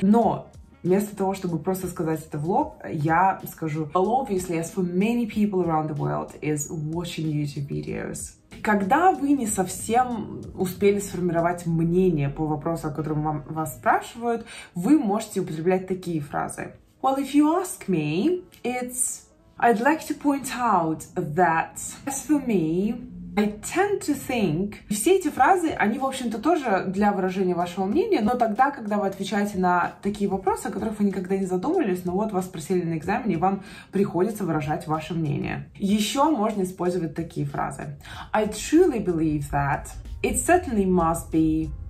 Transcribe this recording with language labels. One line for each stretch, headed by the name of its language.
Russian: Но вместо того, чтобы просто сказать это в лоб, я скажу
English: well, obviously, as for many people around the world, is watching YouTube videos.
Russian: Когда вы не совсем успели сформировать мнение по вопросу, о котором вас спрашивают, вы можете употреблять такие фразы.
English: Well, if you ask me, it's... I'd like to point out that... As for me, I tend to think.
Russian: И все эти фразы, они, в общем-то, тоже для выражения вашего мнения, но тогда, когда вы отвечаете на такие вопросы, о которых вы никогда не задумывались, но вот вас спросили на экзамене, и вам приходится выражать ваше мнение. Еще можно использовать такие фразы.
English: I truly believe that. It certainly must be.